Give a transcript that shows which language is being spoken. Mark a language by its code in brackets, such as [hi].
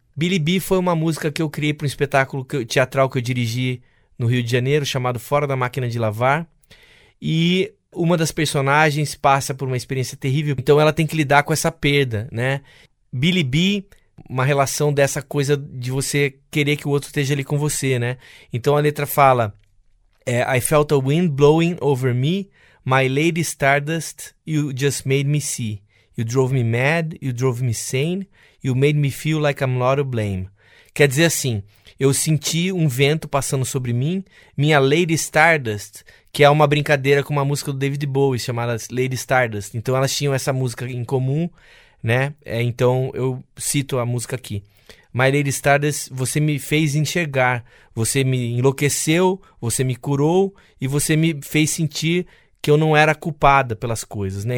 [pt] Billy B foi uma música que eu criei para um espetáculo teatral que eu dirigi no Rio de Janeiro, chamado Fora da Máquina de Lavar. E uma das personagens passa por uma experiência terrível, então ela tem que lidar com essa perda, né? Billy B, uma relação dessa coisa de você querer que o outro esteja ali com você, né? Então a letra fala: [en] I felt a wind blowing over me, my lady stardust, you just made me see. You drove me mad, you drove me sane, you made me feel like I'm not to blame. [pt] Quer dizer assim, eu senti um vento passando sobre mim, minha Lady Stardust, que é uma brincadeira com uma música do David Bowie chamada Lady Stardust. Então elas tinham essa música em comum, né? Então eu cito a música aqui. My Lady Stardust, você me fez enxergar, você me enlouqueceu, você me curou e você me fez sentir que eu não era culpada pelas coisas, né?